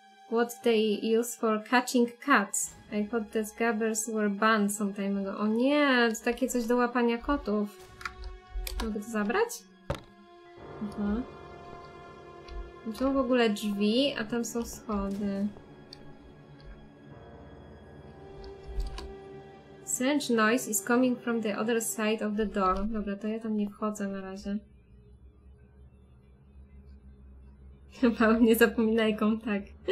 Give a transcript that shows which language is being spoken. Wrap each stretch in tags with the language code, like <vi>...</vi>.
<en>What they use for catching cats. I thought that gabbers were banned sometime ago.</en> <pl>O nie, to takie coś do łapania kotów. Mogę to zabrać? Aha. Są w ogóle drzwi, a tam są schody.</pl> <en>Strange noise is coming from the other side of the door.</en> <pl>Dobra, to ja tam nie wchodzę na razie. Chyba nie zapominajką, tak.</pl>